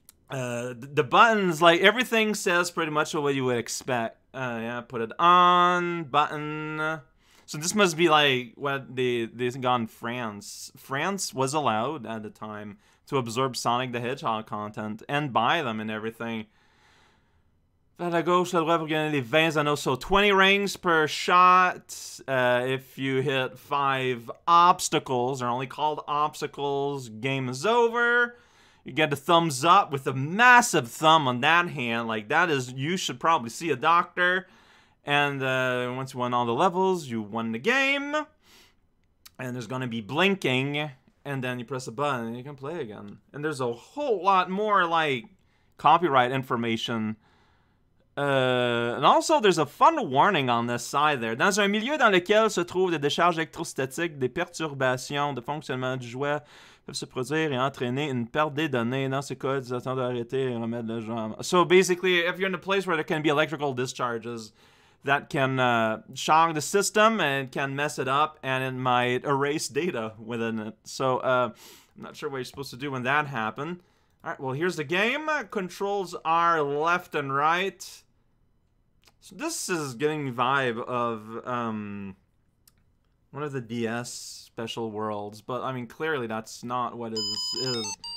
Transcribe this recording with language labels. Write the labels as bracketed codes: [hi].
[en] The buttons, like everything says pretty much what you would expect. Yeah, put it on, button. So this must be like what they got in France. France was allowed at the time to absorb Sonic the Hedgehog content and buy them and everything. [fr] Vers la gauche, la droite, pour gagner les 20 anneaux. [en] So 20 rings per shot. If you hit 5 obstacles, they're only called obstacles, game is over. You get the thumbs up with a massive thumb on that hand. Like, that is, you should probably see a doctor. And once you won all the levels, you won the game. And there's gonna be blinking. And then you press a button and you can play again. And there's a whole lot more, like, copyright information. And also, there's a fun warning on this side there. [fr] Dans un milieu dans lequel se trouvent des décharges électrostatiques, des perturbations de fonctionnement du jouet peuvent se produire et entraîner une perte des données. Dans ce cas, ils attendent d'arrêter et remettre le jeu. [en] So basically, if you're in a place where there can be electrical discharges that can shock the system and can mess it up, and it might erase data within it. So, I'm not sure what you're supposed to do when that happened. Alright, well, here's the game. Controls are left and right. So this is giving me vibe of one of the DS special worlds, but I mean, clearly that's not what it is.